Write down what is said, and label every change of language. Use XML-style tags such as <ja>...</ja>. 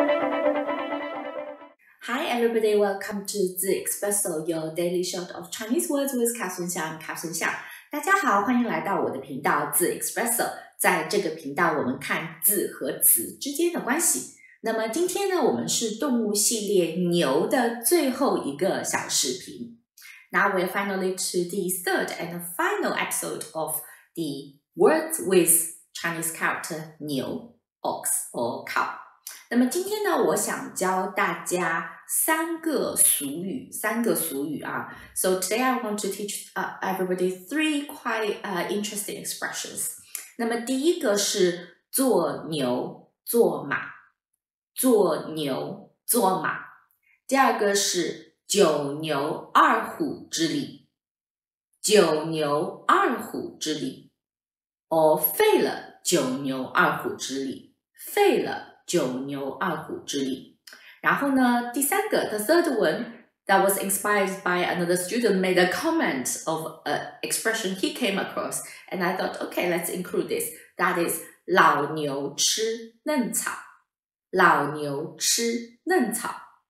<en>everybody, welcome to the Expresso, your daily shot of Chinese words with Catherine Xiang.</en> <zh>Catherine Xiang, 大家好，欢迎来到我的频道 The Expresso。在这个频道，我们看字和词之间的关系。那么今天呢，我们是动物系列牛的最后一个小视频。</zh> <en>Now we're finally to the third and final episode of the words with Chinese character 牛 ox or cow。</en> <zh>那么今天呢，我想教大家三个俗语啊。</zh> <en>So today I want to teach everybody three quite interesting expressions.</en> <zh>那么第一个是做牛做马，做牛做马。第二个是九牛二虎之力，九牛二虎之力。哦，废了九牛二虎之力，废了。九牛二虎之力。然后呢，第三个</zh> <en>,the third one, that was inspired by another student made a comment of an expression he came across, and I thought, okay, let's include this.</en> <zh>That is, 老牛吃嫩草。老牛吃嫩草。</zh>